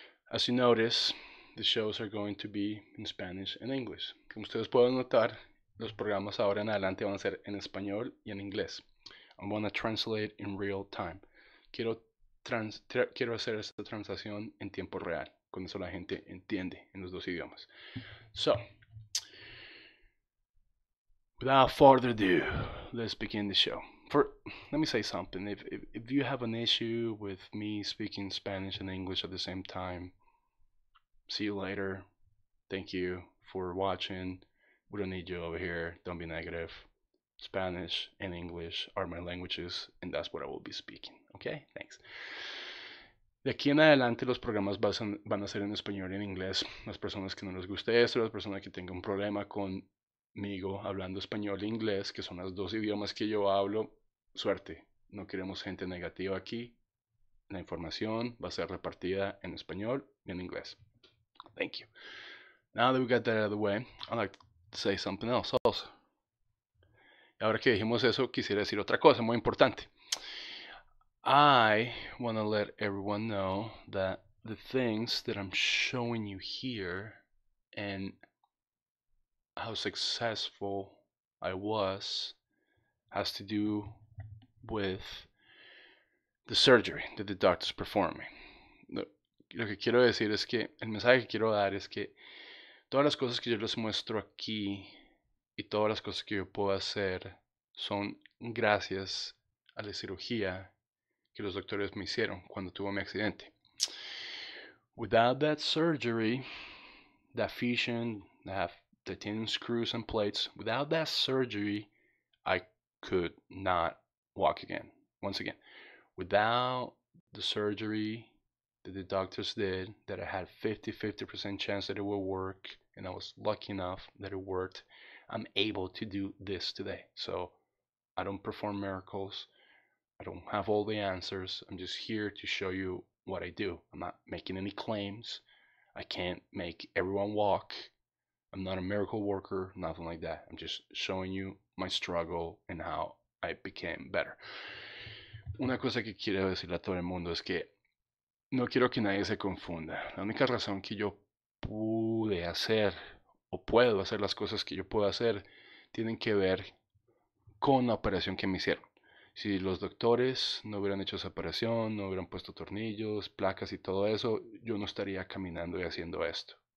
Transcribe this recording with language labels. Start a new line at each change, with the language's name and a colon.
English: As you notice, the shows are going to be in Spanish and English.
Spanish: Como ustedes pueden notar, los programas ahora en adelante van a ser en español y en inglés.
English: I'm going to translate in real time.
Spanish: Quiero hacer esta translación en tiempo real. Con eso la gente entiende en los dos idiomas.
English: So, without further ado, let's begin the show. Let me say something. If you have an issue with me speaking Spanish and English at the same time, see you later. Thank you for watching. We don't need you over here. Don't be negative. Spanish and English are my languages, and that's what I will be speaking. Okay? Thanks.
Spanish: De aquí en adelante, los programas van a ser en español y en inglés. Las personas que no les guste esto, las personas que tengan un problema con migo hablando español e inglés, que son los dos idiomas que yo hablo, suerte. No queremos gente negativa aquí. La información va a ser repartida en español y en inglés.
English: Thank you. Now that we got that out of the way, I'd like to say something else also.
Spanish: Y ahora que dijimos eso, quisiera decir otra cosa muy importante.
English: I want to let everyone know that the things that I'm showing you here and how successful I was has to do with the surgery that the doctors performed me.
Spanish: Lo que quiero decir es que, el mensaje que quiero dar es que todas las cosas que yo les muestro aquí y todas las cosas que yo puedo hacer son gracias a la cirugía que los doctores me hicieron cuando tuve mi accidente.
English: Without that surgery, that fusion, the tendon screws and plates, without that surgery, I could not walk again. Once again, without the surgery that the doctors did, that I had 50-50% chance that it would work, and I was lucky enough that it worked, I'm able to do this today. So I don't perform miracles. I don't have all the answers. I'm just here to show you what I do. I'm not making any claims. I can't make everyone walk. I'm not a miracle worker, nothing like that. I'm just showing you my struggle and how I became better.
Spanish: Una cosa que quiero decirle a todo el mundo es que no quiero que nadie se confunda. La única razón que yo pude hacer o puedo hacer las cosas que yo puedo hacer tienen que ver con la operación que me hicieron. Si los doctores no hubieran hecho esa operación, no hubieran puesto tornillos, placas y todo eso, yo no estaría caminando y haciendo esto.